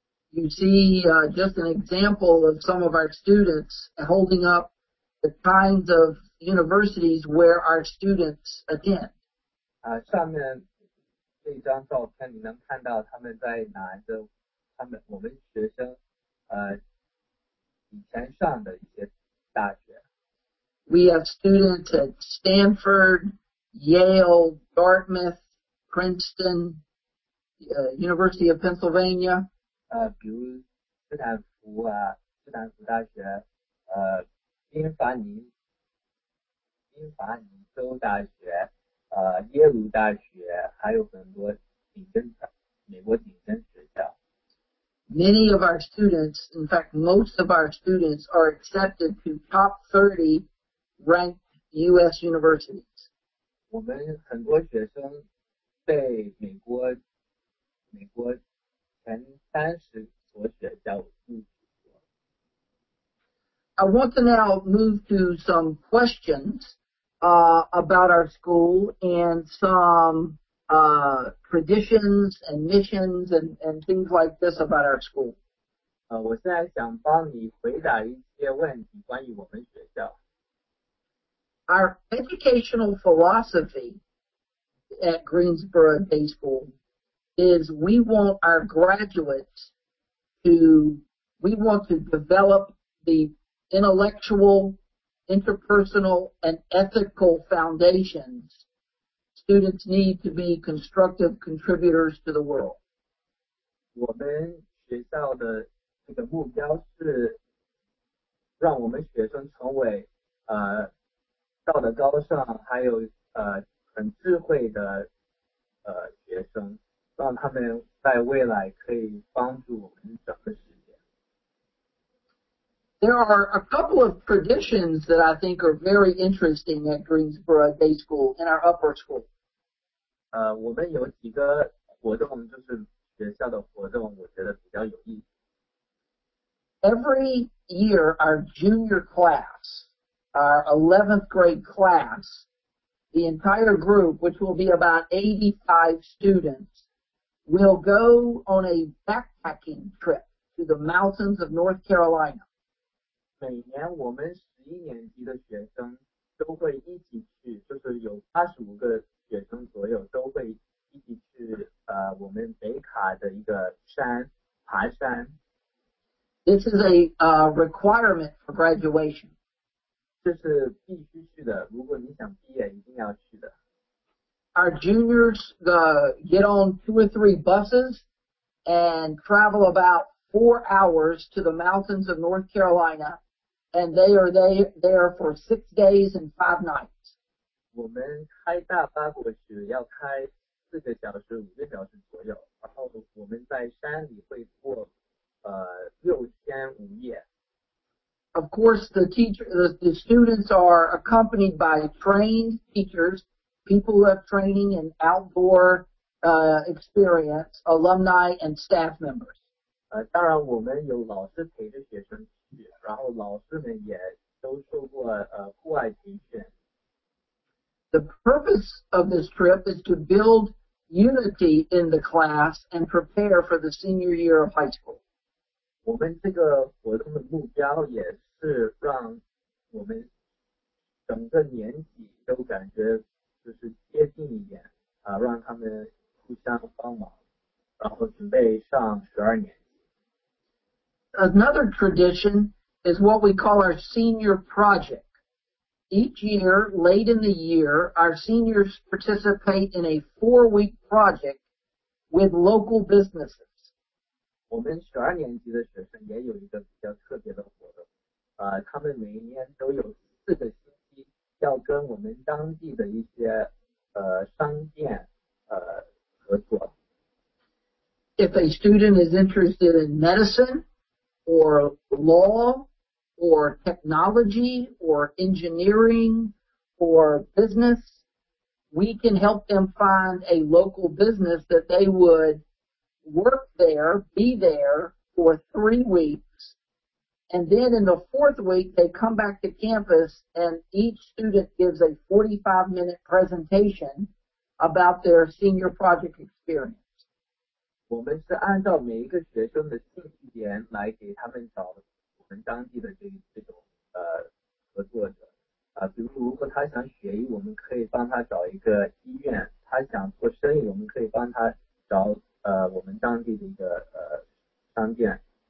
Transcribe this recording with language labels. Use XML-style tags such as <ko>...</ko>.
<en>You see, just an example of some of our students holding up the kinds of universities where our students attend.</en> <zh>上面这张照片你能看到他们在哪的他们我们学生以前上的一些大学。</zh> <en>We have students at Stanford, Yale, Dartmouth, Princeton, University of Pennsylvania.</en> <zh>比如斯坦福啊，斯坦福大学，宾夕法尼宾法尼州大学、耶鲁大学，还有很多顶尖的美国顶尖学校。</zh> <en>Many of our students, in fact, most of our students are accepted to top 30 ranked U.S. universities.</en> <zh>我们很多学生被美国前三十所学校录取。</zh> <en>I want to now move to some questions, about our school and some, traditions and missions and things like this about our school.</en> <zh>我现在想帮你回答一些问题关于我们学校。</zh> <en>Our educational philosophy at Greensboro Day School is we want to develop the intellectual, interpersonal, and ethical foundations students need to be constructive contributors to the world.</en> <zh>我们学校的这个目标是让我们学生成为道德高尚还有很智慧的学生，让他们在未来可以帮助我们整个世界。</zh> <en>There are a couple of traditions that I think are very interesting at Greensboro Day School in our upper school.</en> <zh>我们有几个活动，就是学校的活动，我觉得比较有意思。</zh> <en>Every year, our junior class, our 11th grade class, the entire group, which will be about 85 students, will go on a backpacking trip to the mountains of North Carolina.</en> <zh>每年我们十一年级的学生都会一起去，就是有八十五个学生左右都会一起去我们北卡的一个山爬山。</zh> <en>This is a requirement for graduation.</en> <zh>这是必须去的，如果你想毕业一定要去的。</zh> <en>Our juniors get on two or three buses and travel about 4 hours to the mountains of North Carolina. And they are there for 6 days and 5 nights.</en> <zh>我们开大巴过去要开四个小时五个小时左右，然后我们在山里会过六天五夜。</zh> <en>Of course, the students are accompanied by trained teachers, people who have training and outdoor experience, alumni and staff members.</en> <zh>当然我们有老师陪着学生。然后老师们也都受过户外培训。</zh> <en>The purpose of this trip is to build unity in the class and prepare for the senior year of high school.</en> <zh>我们这个活动的目标也是让我们整个年级都感觉就是接近一点，让他们互相帮忙，然后准备上十二年。</zh> <en>Another tradition is what we call our senior project. Each year, late in the year, our seniors participate in a 4-week project with local businesses.</en> <zh>我们十二年级的学生也有一个比较特别的活动，他们每一年都有四个星期要跟我们当地的一些商店合作。</zh> <en>If a student is interested in medicine,or law, or technology, or engineering, or business, we can help them find a local business that they would work there, be there for 3 weeks, and then in the 4th week, they come back to campus, and each student gives a 45-minute presentation about their senior project experience.</en> <zh>我们是按照每一个学生的兴趣点来给他们找我们当地的这种合作者，比如如果他想学医，我们可以帮他找一个医院；他想做生意，我们可以帮他找我们当地的一个商店。</zh>